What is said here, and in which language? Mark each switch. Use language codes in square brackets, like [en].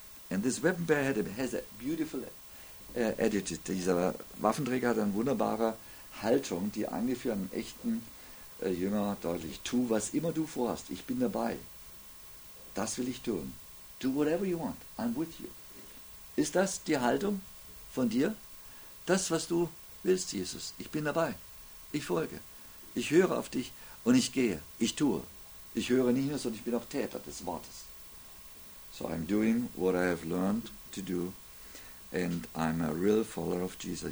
[en] And this weapon bearer has a beautiful edited. [de] Dieser Waffenträger hat eine wunderbare Haltung, die angeführt einen echten Jünger deutlich. Tu, was immer du vorhast. Ich bin dabei. Das will ich tun. [en] Do whatever you want. I'm with you. [de] Ist das die Haltung von dir? Das, was du willst, Jesus. Ich bin dabei. Ich folge. Ich höre auf dich und ich gehe. Ich tue. Ich höre nicht nur, sondern ich bin auch Täter des Wortes. [en] So I'm doing what I have learned to do and I'm a real follower of Jesus.